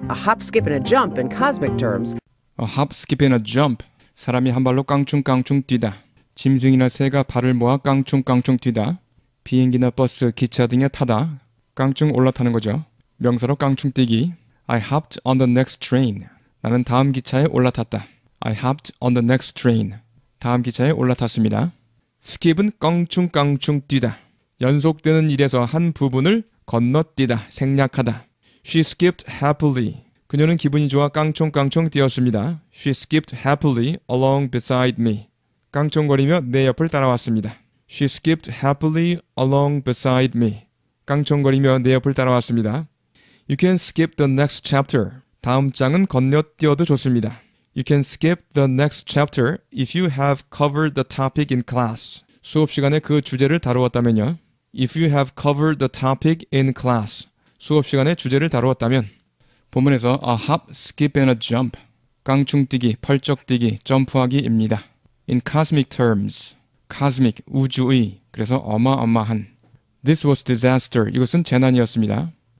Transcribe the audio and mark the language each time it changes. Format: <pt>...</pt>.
<en>A hop, skip, and a jump in cosmic terms. A hop, skip, and a jump.</en> <ko>사람이 한 발로 깡충깡충 뛰다. 짐승이나 새가 발을 모아 깡충깡충 뛰다. 비행기나 버스, 기차 등에 타다. 깡충 올라타는 거죠. 명사로 깡충 뛰기.</ko> <en>I hopped on the next train.</en> <ko>나는 다음 기차에 올라탔다.</ko> <en>I hopped on the next train.</en> <ko>다음 기차에 올라탔습니다. skip은 깡충깡충 뛰다. 연속되는 일에서 한 부분을 건너뛰다. 생략하다.</ko> <en>She skipped happily.</en> <ko>그녀는 기분이 좋아 깡충깡충 뛰었습니다.</ko> <en>She skipped happily along beside me.</en> <ko>깡충거리며 내 옆을 따라왔습니다.</ko> <en>She skipped happily along beside me.</en> <ko>깡충거리며 내 옆을 따라왔습니다.</ko> <en>You can skip the next chapter.</en> <ko>다음 장은 건너뛰어도 좋습니다.</ko> <en>You can skip the next chapter if you have covered the topic in class.</en> <ko>수업 시간에 그 주제를 다루었다면요.</ko> <en>If you have covered the topic in class.</en> <ko>수업 시간에 주제를 다루었다면. 본문에서</ko> <en>a hop, skip, and a jump.</en> <ko>깡충뛰기, 펄쩍뛰기, 점프하기입니다.</ko> <en>In cosmic terms. Cosmic,</en> <ko>우주의. 그래서 어마어마한.</ko> <en>This was disaster.</en> <ko>이것은 재난이었습니다.</ko>